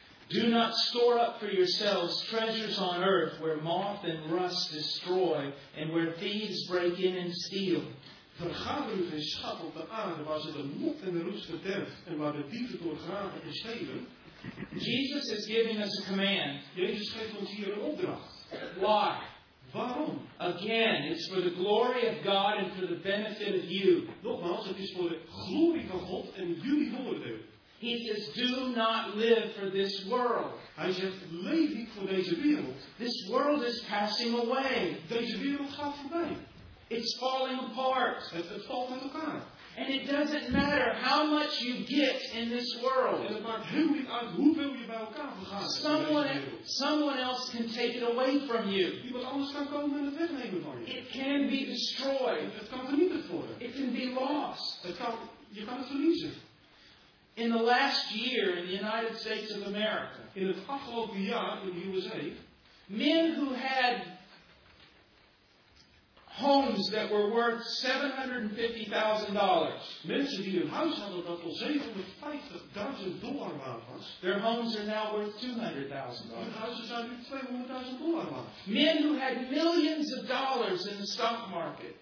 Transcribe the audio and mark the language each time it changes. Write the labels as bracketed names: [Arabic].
[English] Do not store up for yourselves treasures on earth where moth and rust destroy and where thieves break in and steal. [Dutch] Vergader u geen schat op de aarde waar ze de moth en de rust verderft en waar de dieven door graven en stelen. [English] Jesus is giving us a command. [Dutch] Jezus geeft ons hier een opdracht. [English] Why? [Dutch] Waarom? [English] Again, it's for the glory of God and for the benefit of you. [Dutch] Nogmaals, het is voor de glorie van God en jullie voordeel. [English] He says, do not live for this world. [Dutch] Hij zegt, leef niet voor deze wereld. [English] This world is passing away. [Dutch] Deze wereld gaat voorbij. [English] It's falling apart. [Dutch] Het valt uit elkaar. [English] And it doesn't matter how much you get in this world. [Dutch] En het maakt helemaal niet uit hoeveel je bij elkaar vergaat. [English] Someone else can take it away from you. [Dutch] Iemand anders kan komen en het wegnemen van je. [English] It can be destroyed. [Dutch] Het kan vernietigd worden. [English] It can be lost. [Dutch] Je kan het verliezen. [English] In the last year in the United States of America. [Dutch] In het afgelopen jaar in de USA. [English] Men who had homes that were worth $750,000. [Dutch] Mensen die een huis hadden dat al $750,000 waard was. [English] Their homes are now worth $200,000. [Dutch] Hun huizen zijn nu $200,000 waard. [English] Men who had millions of dollars in the stock market.